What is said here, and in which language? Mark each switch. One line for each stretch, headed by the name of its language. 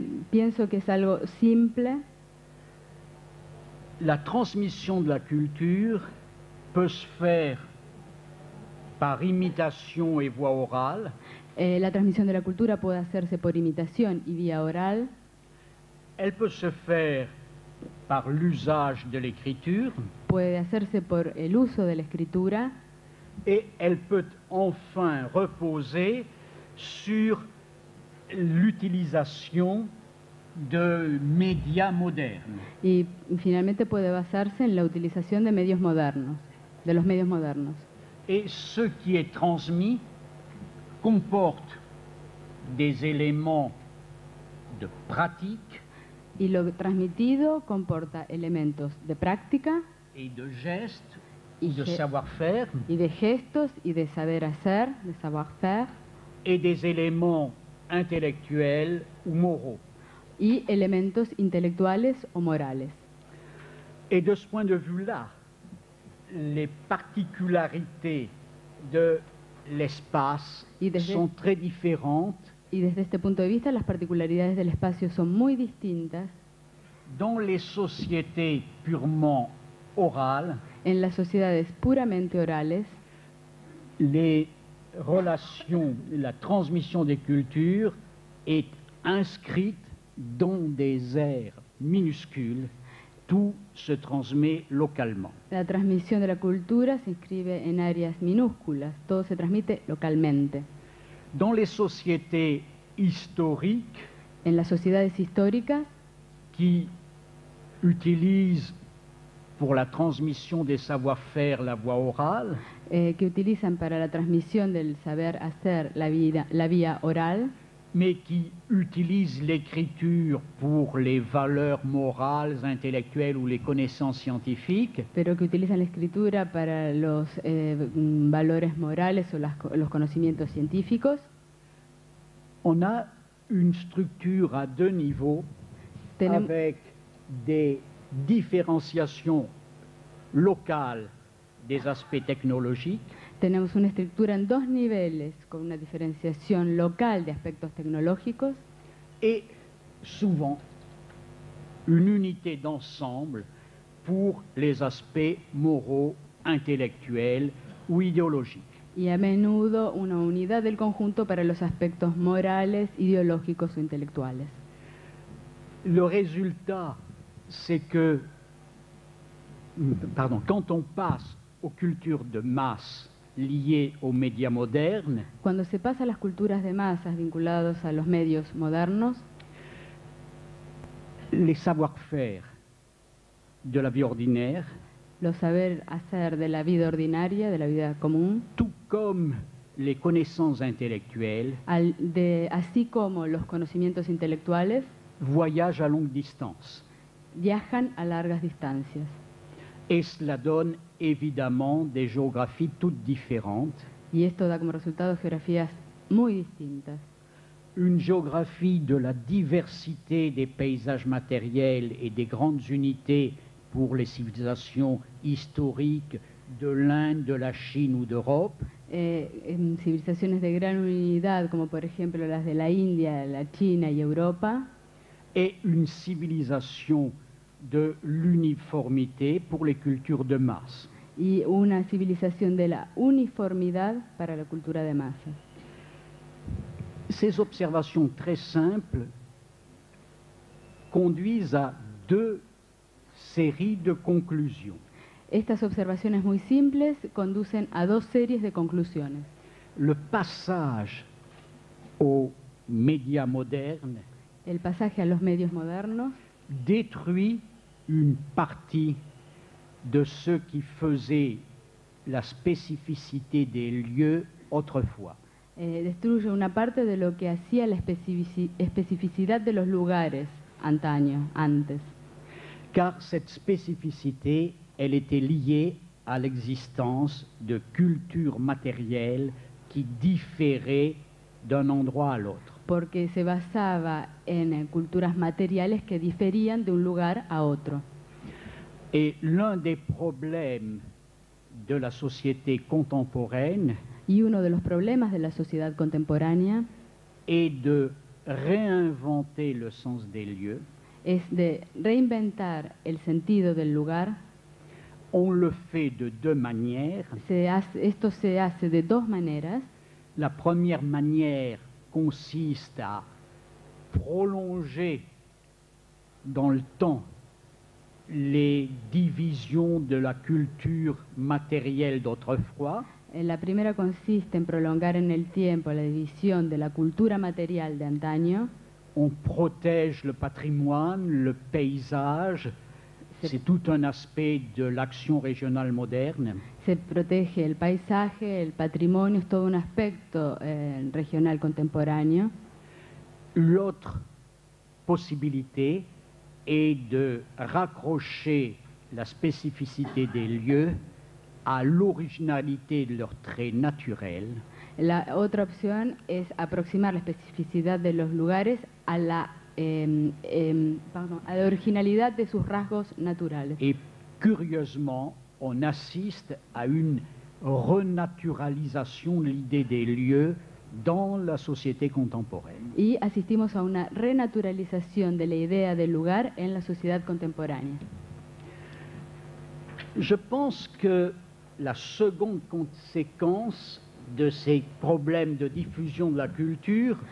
Spanish: Pienso que es algo simple.
French: La transmission de la culture peut se faire par imitation et voix orale. La transmission de la culture peut
Spanish: hacerse por imitación y vía oral.
French: Elle peut se faire par l'usage de l'écriture.
Spanish: Puede hacerse por el uso de la escritura.
French: Et elle peut enfin reposer sur l'utilisation de médias modernes.
Spanish: Y finalmente puede basarse en la utilización de medios modernos, de los medios modernos.
French: Et ce qui est transmis comporte des éléments de pratique.
Spanish: Y lo transmitido comporta elementos de práctica.
French: Et de gestes, de savoir-faire.
Spanish: Y de gestos y de saber hacer, de savoir-faire.
French: Et des éléments intellectuels ou moraux.
Spanish: Y elementos intelectuales o morales.
French: Et de ce point de vue-là, les particularités de l'espace sont très différentes.
Spanish: Y desde este punto de vista, las particularidades del espacio son muy distintas.
French: Dans les sociétés purement orales,
Spanish: en las sociedades puramente orales,
French: les relations, la transmission des cultures est inscrite dans des aires minuscules, tout se transmet localement. La transmission de la culture s'inscrit
Spanish: en áreas minúsculas, todo se transmite localmente.
French: Dans les sociétés historiques,
Spanish: en las sociedades históricas,
French: qui utilisent pour la transmission des savoir-faire la voie orale,
Spanish: que utilizan para la transmisión del saber hacer la vía oral,
French: mais qui utilisent l'écriture pour les valeurs morales, intellectuelles ou les connaissances scientifiques.
Spanish: Pero que utilizan la escritura para los valores morales o las, los conocimientos científicos.
French: On a une structure à deux niveaux avec des différenciations locales des aspects technologiques.
Spanish: Tenemos una estructura en dos niveles con una diferenciación local de aspectos tecnológicos
French: y souvent une unité d'ensemble pour les aspects moraux, intellectuels ou idéologiques.
Spanish: Y a menudo una unidad del conjunto para los aspectos morales, ideológicos o intelectuales.
French: Le résultat c'est que, pardon, quand on passe aux cultures de masse liées aux médias modernes,
Spanish: cuando se pasa a las culturas de masas vinculados a los medios modernos,
French: les savoir-faire de la vie ordinaire,
Spanish: los saber hacer de la vida ordinaria, de la vida común,
French: tout comme les connaissances intellectuelles,
Spanish: así como los conocimientos intelectuales,
French: voyagent à longue distance.
Spanish: Viajan a largas distancias.
French: Et cela donne évidemment des géographies toutes différentes.
Spanish: Y esto da como resultado geografías muy distintas.
French: Une géographie de la diversité des paysages matériels et des grandes unités pour les civilisations historiques de l'Inde, de la Chine ou d'Europe.
Spanish: Civilizaciones de gran unidad, como por ejemplo las de la India, la China y Europa.
French: Et une civilisation de l'uniformité pour les cultures de masse.
Spanish: Y una civilización de la uniformidad para la cultura de masa.
French: Ces observations très simples conduisent à deux séries de conclusions.
Spanish: Estas observaciones muy simples conducen a dos series de conclusiones.
French: Le passage aux médias modernes,
Spanish: el pasaje a los medios modernos,
French: détruit une partie de ce qui faisait la spécificité des lieux autrefois.
Spanish: Destruye una parte de lo que hacía la especificidad de los lugares antaño, antes.
French: Car cette spécificité, elle était liée à l'existence de cultures matérielles qui différaient d'un endroit à l'autre.
Spanish: Porque se basaba en culturas materiales que diferían de un lugar a otro.
French: Et l'un des problèmes de la société contemporaine,
Spanish: y uno de los problemas de la sociedad contemporánea,
French: est de réinventer le sens des lieux.
Spanish: Es de reinventar el sentido del lugar.
French: On le fait de deux manières.
Spanish: Esto se hace de dos maneras.
French: La première manière consiste à prolonger dans le temps les divisions de la culture matérielle d'autrefois.
Spanish: La primera consiste en prolongar en el tiempo la división de la cultura material de antaño.
French: On protège le patrimoine, le paysage, c'est tout un aspect de l'action régionale moderne.
Spanish: Se protege el paisaje, el patrimonio, es todo un aspecto regional contemporáneo.
French: L'autre possibilité est de raccrocher la spécificité des lieux à l'originalité de leurs traits naturels.
Spanish: La otra opción es aproximar la especificidad de los lugares a la, a la originalidad de sus rasgos naturales.
French: Et curieusement, on assiste à une renaturalisation de l'idée des lieux dans la société contemporaine.
Spanish: Y asistimos a una renaturalización de la idea del lugar en la sociedad contemporánea.
French: Je pense que la seconde conséquence de ces problèmes de diffusion de la culture,